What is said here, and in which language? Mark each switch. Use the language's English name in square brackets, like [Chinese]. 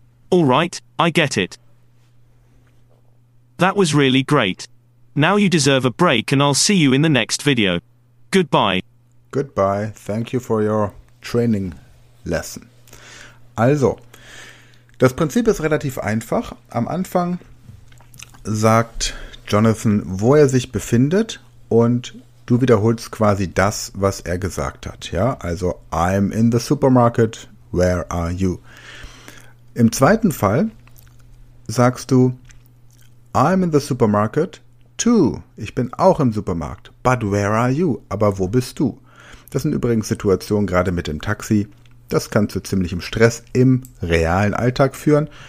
[English] All right, I get it. That was really great. Now you deserve a break and I'll see you in the next video. Goodbye. Goodbye. Thank you for your training lesson. [German] Also, das Prinzip ist relativ einfach. Am Anfang sagt Jonathan, wo er sich befindet und du wiederholst quasi das, was er gesagt hat. Ja, also [English] I'm in the supermarket. Where are you? [German] Im zweiten Fall sagst du, [English] I'm in the supermarket too. [German] Ich bin auch im Supermarkt. [English] But where are you? [German] Aber wo bist du? Das sind übrigens Situationen gerade mit dem Taxi. Das kann zu ziemlichem Stress im realen Alltag führen.